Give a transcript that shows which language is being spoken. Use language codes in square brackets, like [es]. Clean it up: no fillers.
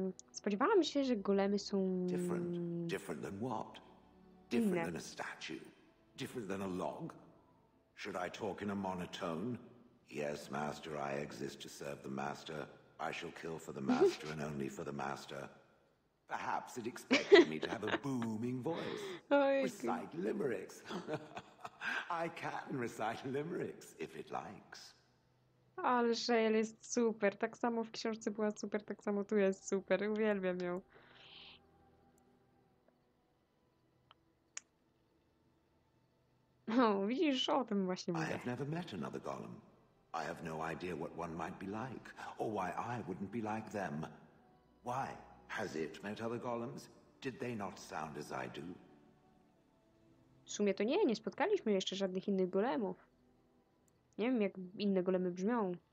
[pl] Spodziewałam się, że golemy są... [en] Different than what? Different than a statue? Different than a log? Should I talk in a monotone? Yes, master, I exist to serve the master. I shall kill for the master and only for the master. Perhaps it expected me to have a booming voice. Recite limericks. I can recite limericks if it likes. [pl] Ale Shale jest super. Tak samo w książce była super, tak samo tu jest super. Uwielbiam ją. O, widzisz, o tym właśnie mówię. [en] I have never met another golem. I have no idea what one might be like, or why I wouldn't be like them. Why? Has it met other golems? Did they not sound as I do? [pl] W sumie to nie, nie spotkaliśmy jeszcze żadnych innych golemów. Nie wiem, jak inne golemy brzmią.